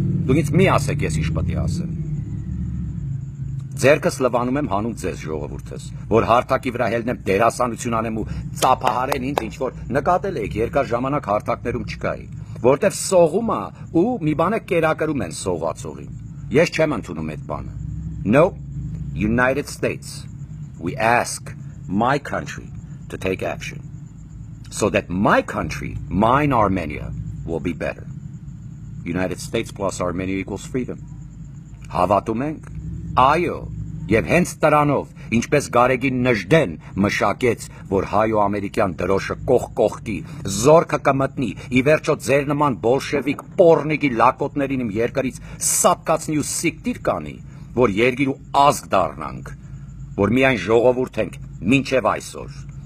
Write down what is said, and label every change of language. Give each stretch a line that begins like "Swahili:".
Armenian: դու ինձ մի ասեք, ես ինչ պետք է ասեմ, ձերքս լվանում եմ հանուն ձեզ ժողովուրդս, որ հարթակի վրա հելնեմ, դերասանություն անեմ ու ծափահարեն ինձ, ինչ որ նկատել եք, երկար ժամանակ հարթակներում չկայի, որտեղ սողում է ու մի բանը կերակրում են սողացողին, ես չեմ ընդունում այդ բանը, no,
English: United States, we ask my country to take action so that my country, mine Armenia, will be better. United States plus Armenia equals freedom.
Armenian: Հավատում ենք, այո, եւ հենց տրանով, ինչպես Գարեգին Նժդեն մշակեց, որ հայ-ամերիկյան դրոշը կողք-կողքի, զորքը կմտնի, ի վերջո ձեր նման բոլշևիկ պորնիկի լակոտներին իմ երկրից սապկացնի ու սիկտիր կանի, որ երկիր ու ազգ դառնանք, որ միայն ժողովուրդ ենք մինչև այսօր։